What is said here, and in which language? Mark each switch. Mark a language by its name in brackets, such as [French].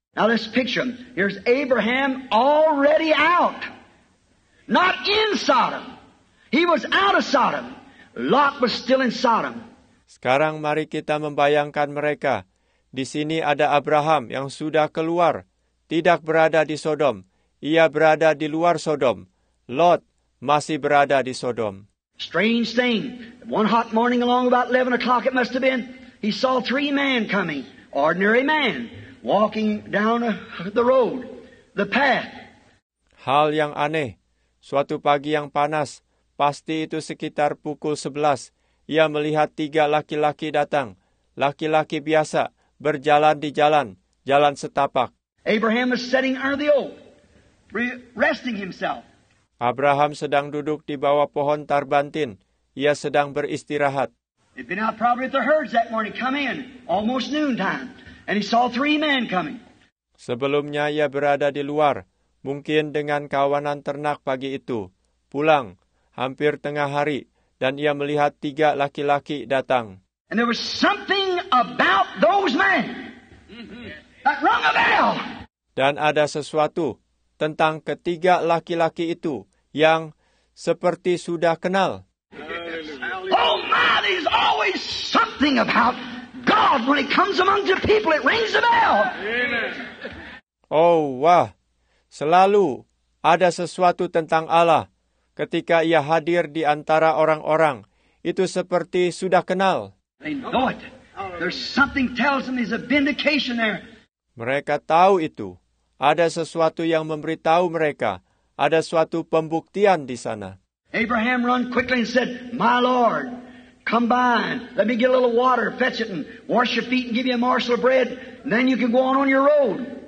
[English] Now let's picture him. Here's Abraham already out. Not in Sodom. He was out of Sodom. Lot was still in Sodom. [Indonesian] Sekarang mari kita membayangkan mereka. Di sini ada Abraham yang sudah keluar. Tidak berada di Sodom. Ia berada di luar Sodom. Lot masih berada di Sodom. [English] Strange thing. One hot morning along about 11 o'clock it must have been. He saw three men coming, ordinary man, walking down the road, the path. [Indonesian] Hal yang aneh, suatu pagi yang panas, pasti itu sekitar pukul 11, ia melihat tiga laki-laki datang, laki-laki biasa, berjalan di jalan, jalan setapak. [English] Abraham is sitting under the oak, resting himself. [Indonesian] Abraham sedang duduk di bawah pohon tarbantin, ia sedang beristirahat. [English] He'd been out probably at the herds that morning, come in, almost noontime, and he saw three men coming. [Indonesian] Sebelumnya ia berada di luar, mungkin dengan kawanan ternak pagi itu, pulang, hampir tengah hari, dan ia melihat tiga laki-laki datang. [English] And there was something about those men that rung a bell. [Indonesian] Dan ada sesuatu tentang ketiga laki-laki itu yang seperti sudah kenal. [English] Oh my, there's always something about God when He comes among the people. It rings a bell. [Indonesian] Oh wah, selalu ada sesuatu tentang Allah ketika Ia hadir di antara orang-orang. Itu seperti sudah kenal. [English] They know it. There's something tells them there's a vindication there. [Indonesian] Mereka tahu itu. Ada sesuatu yang memberitahu mereka. Ada suatu pembuktian di sana. [English] Abraham run quickly and said, "My Lord, Come by and let me get a little water, fetch it and wash your feet and give you a morsel of bread, and then you can go on your road.